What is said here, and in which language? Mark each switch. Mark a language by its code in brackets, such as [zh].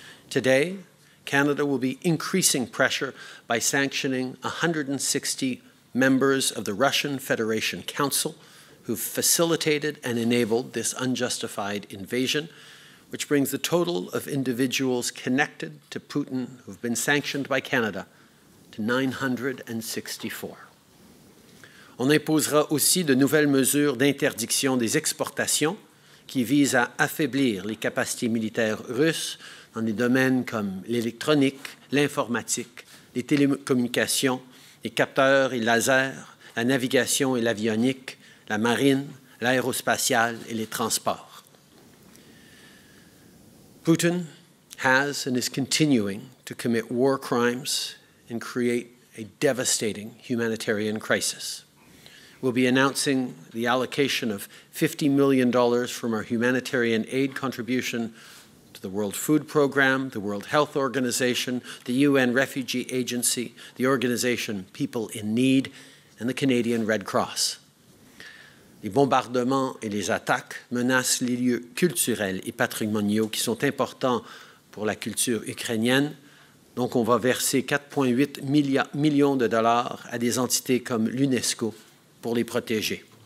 [en] Today, Canada will be increasing pressure by sanctioning 160 members of the Russian Federation Council who've facilitated and enabled this unjustified invasion, which brings the total of individuals connected to Putin who've been sanctioned by Canada to 964. [fr] On imposera aussi de nouvelles mesures d'interdiction des exportations qui visent à affaiblir les capacités militaires russes dans des domaines comme l'électronique, l'informatique, les télécommunications, les capteurs et lasers, la navigation et l'avionique, la marine, l'aérospatiale et les transports. [en] Putin has and is continuing to commit war crimes and create a devastating humanitarian crisis. We'll be announcing the allocation of $50 million from our humanitarian aid contribution to the World Food Program, the World Health Organization, the UN Refugee Agency, the organization People in Need, and the Canadian Red Cross. [fr] Les bombardements et les attaques menacent les lieux culturels et patrimoniaux qui sont importants pour la culture ukrainienne. Donc, on va verser 4,8 millions de dollars à des entités comme l'UNESCO pour les protéger.